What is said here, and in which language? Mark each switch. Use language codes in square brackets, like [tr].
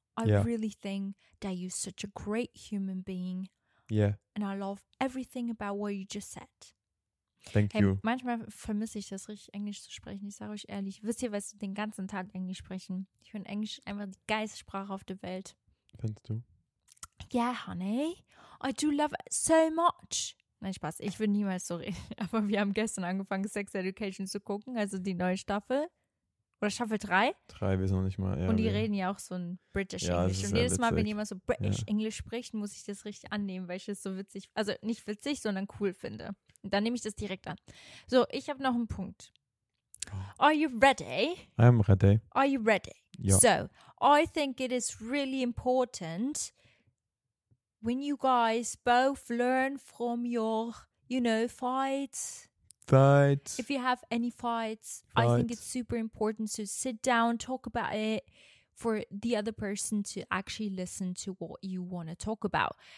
[en] I really think that you're such a great human being. Yeah. And I love everything about what you just said. Thank you. [de] Manchmal vermisse ich das richtig, Englisch zu sprechen. Ich sage euch ehrlich, wisst ihr, was wir den ganzen Tag Englisch sprechen? Ich finde Englisch einfach die geilste Sprache auf der Welt. Findest du? [en] Yeah, honey. I do love it so much. [de] Nein, Spaß. Ich würde niemals so reden. Aber wir haben gestern angefangen, Sex Education zu gucken, also die neue Staffel. Oder Staffel 3? 3, wir sind noch nicht mal. Ja, und die reden ja auch so ein British English. Und jedes Mal, wenn jemand so British English spricht, muss ich das richtig annehmen, weil ich das so witzig, also nicht witzig, sondern cool finde. Und dann nehme ich das direkt an. So, ich habe noch einen Punkt. [en] Are you ready? I'm ready. Are you ready? [de] Ja. [en] So, I think it is really important when you guys both learn from your, you know, fights. Fights. If you have any fights, I think it's super important to sit down, talk about it for the other person to actually listen to what you want to talk about.